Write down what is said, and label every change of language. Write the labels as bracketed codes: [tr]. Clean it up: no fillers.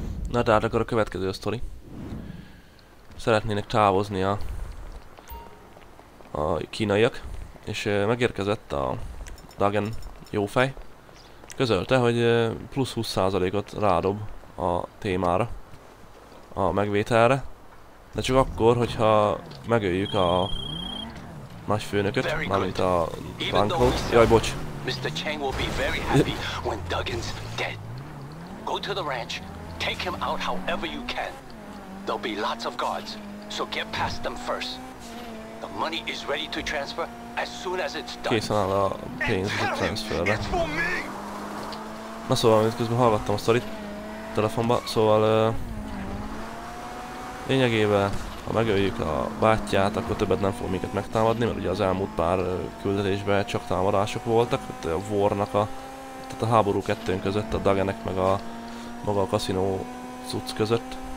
[hu] Na de akkor a következő a sztori. Szeretnének távozni a kínaiak, és megérkezett a Dagen jófej. Közölte, hogy plusz 20%-ot rádob a témára, a megvételre. De csak akkor, hogyha megöljük a nagyfőnököt, mármint a bankot. Jaj, bocs! Mr. [en] Chang will be very happy when Duggan's dead. Go to the ranch, take him out however you can. There'll be lots of guards, so get past them first. The money is ready to transfer as soon as it's done. [hu] Készen áll a pénz a transferre. Na szóval, amit közben hallgattam a sztorit telefonban, szóval lényegében, ha megöljük a bátyját, akkor többet nem fog minket megtámadni, mert ugye az elmúlt pár küldetésben csak támadások voltak, tehát a Warnak a, tehát a háború kettőnk között, a Dagenek meg a maga a kaszinó cucc között.